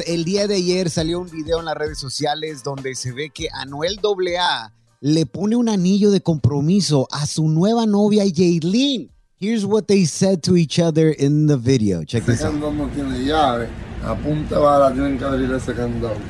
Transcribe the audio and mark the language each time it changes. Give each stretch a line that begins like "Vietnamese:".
Spanish: El día de ayer salió un video en las redes sociales donde se ve que Anuel AA le pone un anillo de compromiso a su nueva novia, Yailin.
English: Here's what they said to each other in the video. Check this out.
Spanish: Ese candado no tiene llave. A punta bala tienen que abrir ese candado.